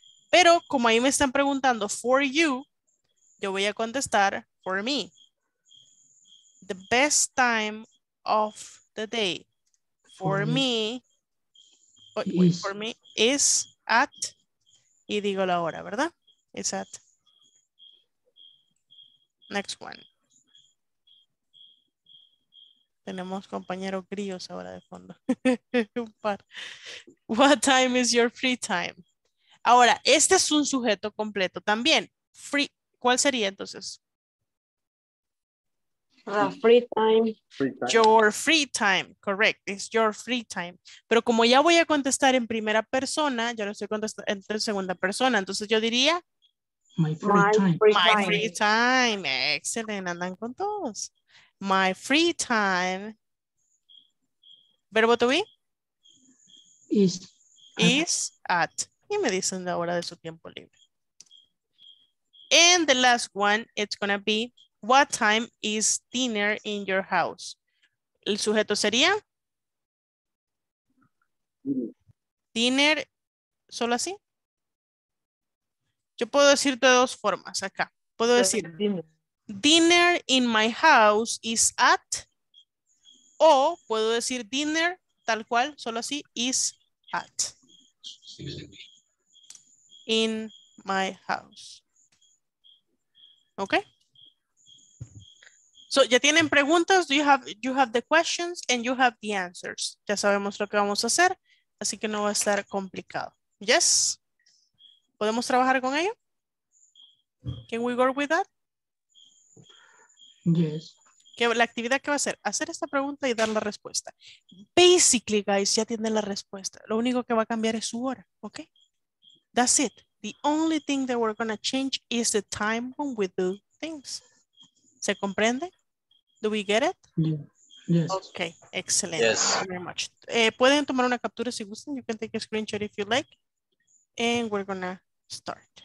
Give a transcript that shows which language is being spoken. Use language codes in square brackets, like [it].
[es] Pero como ahí me están preguntando for you, yo voy a contestar for me. [en] The best time of the day for me. For me is at, [es] y digo la hora, ¿verdad? [en] Is at. Next one. [es] Tenemos compañeros grillos ahora de fondo. Un par. [en] What time is your free time? [es] Ahora, este es un sujeto completo también. Free, ¿cuál sería entonces? [en] Free time. Your free time, correct. It's your free time. [es] Pero como ya voy a contestar en primera persona, yo lo estoy contestando en segunda persona, entonces yo diría [en] My free time. [es] Excelente, andan con todos. [en] My free time. [es] Verbo to be. [en] Is at. [es] Y me dicen la hora de su tiempo libre. [en] And the last one, it's gonna be what time is dinner in your house? [es] El sujeto sería dinner, solo así. Yo puedo decir de dos formas acá. Puedo decir dinner in my house is at, o puedo decir dinner tal cual, solo así, is at. [en] In my house. Okay. So, [es] ya tienen preguntas, [en] you have the questions and you have the answers. [es] Ya sabemos lo que vamos a hacer, así que no va a estar complicado. [en] Yes? [es] ¿Podemos trabajar con ello? [en] Can we work with that? Yes. [es] ¿Qué, la actividad que va a hacer? Hacer esta pregunta y dar la respuesta. [en] Basically, guys, [es] ya tienen la respuesta. Lo único que va a cambiar es su hora, ¿ok? [en] That's it. The only thing that we're going to change is the time when we do things. [es] ¿Se comprende? [en] Do we get it? Yes. Okay, excellent. Yes. Thank you very much. [es] Pueden tomar una captura si gustan. [en] You can take a screenshot if you like. And we're gonna start.